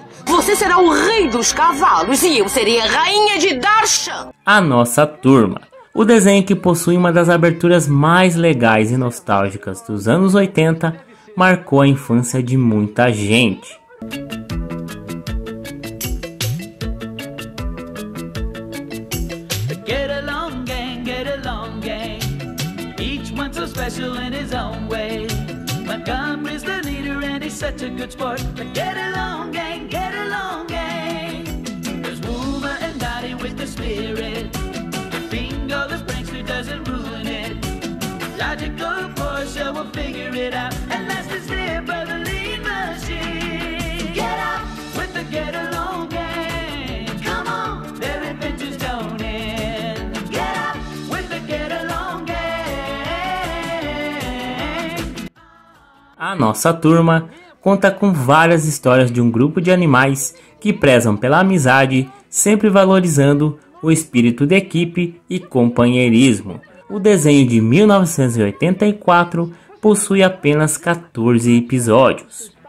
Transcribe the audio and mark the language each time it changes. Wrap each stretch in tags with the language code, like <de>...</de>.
<pt>Você será o rei dos cavalos e eu serei a rainha de Darshan. A Nossa Turma. O desenho que possui uma das aberturas mais legais e nostálgicas dos anos 80, marcou a infância de muita gente.</pt> <en>Get along gang, get along gang. Each one so special in his own way. Montgomery's the leader and he's such a good sport. But get along gang, get along gang. There's Wuma and Dottie with the spirit. Bingo the prankster doesn't ruin it. Logical Porsche will figure it out. And last is there by the lead machine. Get up with the get along gang. Come on, their adventures don't end. Get up with the get along gang.</en> <pt>A Nossa Turma conta com várias histórias de um grupo de animais que prezam pela amizade, sempre valorizando o espírito de equipe e companheirismo. O desenho de 1984 possui apenas 14 episódios.</pt>